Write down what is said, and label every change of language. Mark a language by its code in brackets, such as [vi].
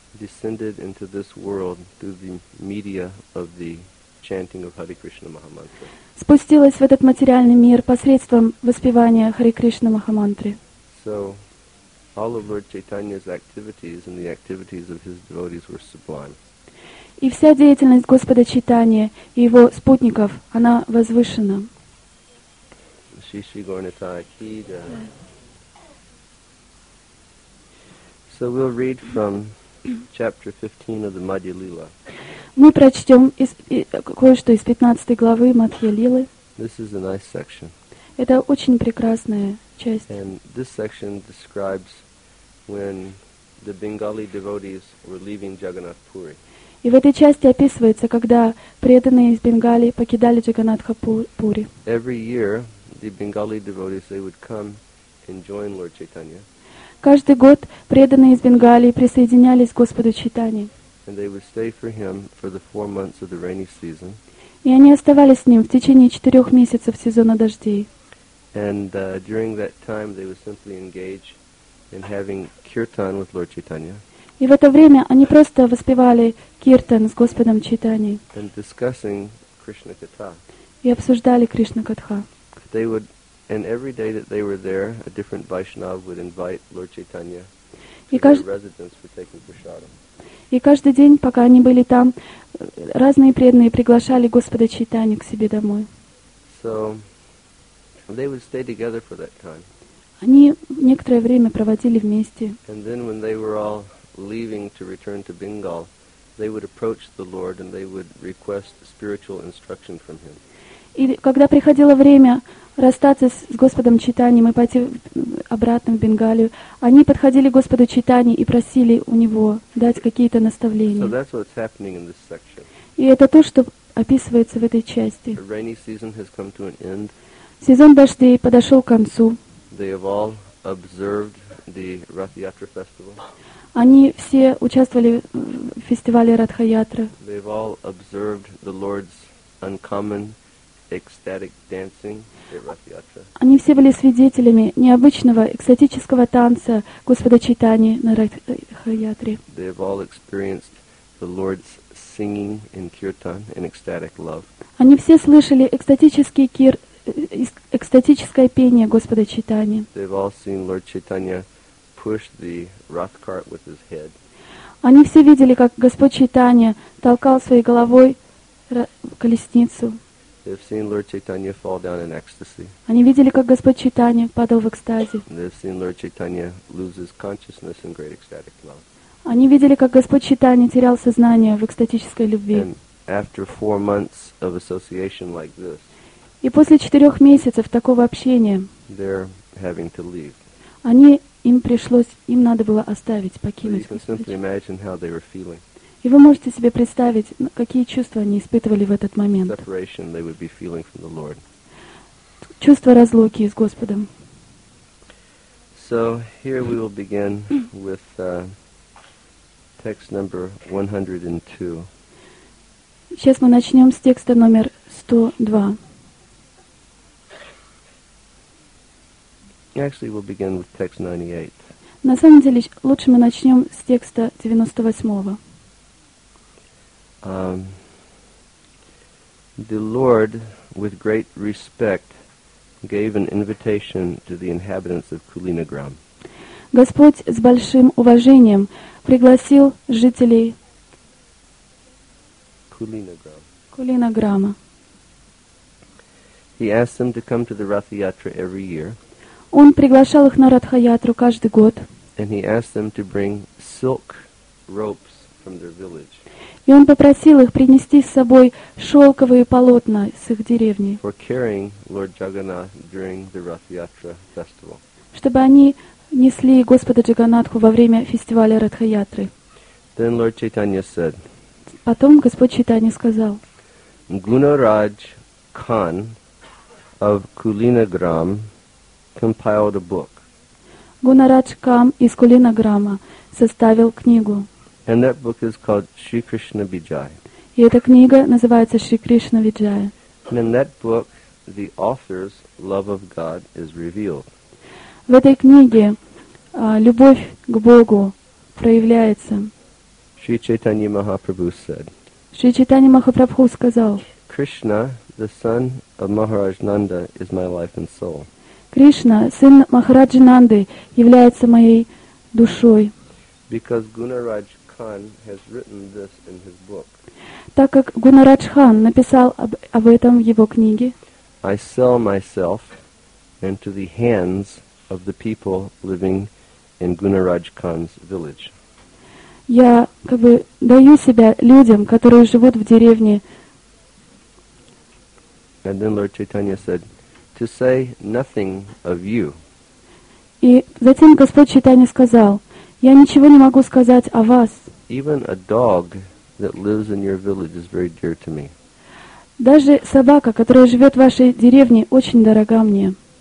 [en] descended into this world through the media of the chanting of Hare Krishna Mahamantra. [ru] Спустилась в этот материальный мир посредством воспевания Хари Кришна Махамантры. [en] So, all of Lord Chaitanya's activities and the activities of his devotees were sublime. [ru] И вся деятельность Господа Чайтаньи и его спутников, она возвышена. Шиши Горнитая Кида. [en] So we'll read from chapter 15 of the Madhya Lila. [ru] Мы прочтем кое-что из 15 главы Мадхья Лилы. [en] This is a nice section. [ru] Это очень прекрасная часть. [en] And this section describes when the Bengali devotees were leaving Jagannath Puri. [ru] И в этой части описывается, когда преданные из Бенгали покидали Джаганнатха Пури. [en] Every year, the Bengali devotees, they would come and join Lord Chaitanya. [ru] Каждый год преданные из Бенгалии присоединялись к Господу Чайтани. [en] And they would stay for him for the 4 months of the rainy season. [ru] И они оставались с ним в течение 4 месяцев сезона дождей. [en] And during that time they would simply engage in having kirtan with Lord Chaitanya. [ru] И в это время они просто воспевали киртан с Господом Чайтани. [en] And discussing Krishna Katha. [ru] И обсуждали Кришна Катха. [en] They would, and every day that they were there, a different Vaishnava would invite Lord Chaitanya to their residence for taking prasadam. [ru] И каждый день, пока они были там, разные преданные приглашали Господа Чайтани к себе домой. [en] So, they would stay together for that time. [ru] Они некоторое время проводили вместе. [en] And then when they were all leaving to return to Bengal, they would approach the Lord and they would request spiritual instruction from him. [ru] И когда приходило время расстаться с Господом Чайтани, мы пойти обратно в Бенгалию, они подходили к Господу Чайтани и просили у него дать какие-то наставления. [en] So that's what's happening in this section. [ru] И это то, что описывается в этой части. [en] The rainy season has come to an end. [ru] Сезон дождей подошел к концу. [en] They have all observed the Rath Yatra festival. [ru] Они все участвовали в фестивале Радха Ятры. [en] They have all observed the Lord's uncommon ecstatic dancing at Rath Yatra. [ru] Они все были свидетелями необычного экстатического танца Господа Чайтаньи на Радха Ятре. [en] They have all experienced the Lord's singing in kirtan and ecstatic love. [ru] Они все слышали экстатический кир экстатическое пение Господа Чайтаньи. [en] They have all seen Lord Chaitanya push the rath cart with his head. [ru] Они все видели, как Господь Чайтанья толкал своей головой колесницу. [en] They have seen Lord Chaitanya fall down in ecstasy. [ru] Они видели, как Господь Чайтанья падал в экстазе. [en] They have seen Lord Chaitanya lose his consciousness in great ecstatic love. [ru] Они видели, как Господь Чайтанья терял сознание в экстатической любви. [en] And after 4 months of association like this, [ru] и после 4 месяцев такого общения, [en] they're having to leave. [ru] Они им пришлось, им надо было оставить, покинуть. [en] So you can simply imagine how they were feeling. [ru] И вы можете себе представить, какие чувства они испытывали в этот момент. [en] Separation they would be feeling from the Lord. [ru] Чувство разлуки с Господом. [en] So here we will begin with text number 102. [ru] Сейчас мы начнем с текста номер 102. [en] Actually, we'll begin with text 98. [ru] На самом деле, лучше мы начнем с текста 98-го. [en] The Lord, with great respect, gave an invitation to the inhabitants of Kulinagram. [ru] Господь с большим уважением пригласил жителей Kulinagrama. [en] He asked them to come to the Rath Yatra every year. [ru] Он приглашал их на Радха-Ятру каждый год. [en] And he asked them to bring silk ropes from their village. [ru] И он попросил их принести с собой шелковые полотна с их деревни. [en] For carrying Lord Jagannath during the Rath Yatra festival. [ru] Чтобы они несли Господа Джаганатху во время фестиваля Радха-Ятры. [en] Then Lord Chaitanya said. [ru] Потом Господь Чайтанья сказал. [en] Гунарадж Кан of Kulinagram compiled a book. [ru] Гунарадж Кам из Кулинаграма составил книгу. [en] And that book is called Shri Krishna Vijaya. [ru] И эта книга называется Шри Кришна Виджая. [en] And in that book, the author's love of God is revealed. [ru] В этой книге любовь к Богу проявляется. [en] Shri Chaitanya Mahaprabhu said. [ru] Шри Чайтанья Махапрабху сказал. [en] Krishna, the son of Maharaj Nanda, is my life and soul. [ru] Кришна, сын Махараджи Нанды, является моей душой. [en] Because Gunaraj Khan has written this in his book. [ru] Так как Гунарадж Хан написал об этом в его книге. [en] I sell myself into the hands of the people living in Gunaraj Khan's village. [ru] Я как бы даю себя людям, которые живут в деревне. [en] And then Lord Chaitanya said, to say nothing of you. [ru] И затем Господь Чайтанья сказал, я ничего не могу сказать о вас. [en] Even a dog that lives in your village is very dear to me. [ru] Даже собака, которая живет в вашей деревне, очень дорога мне.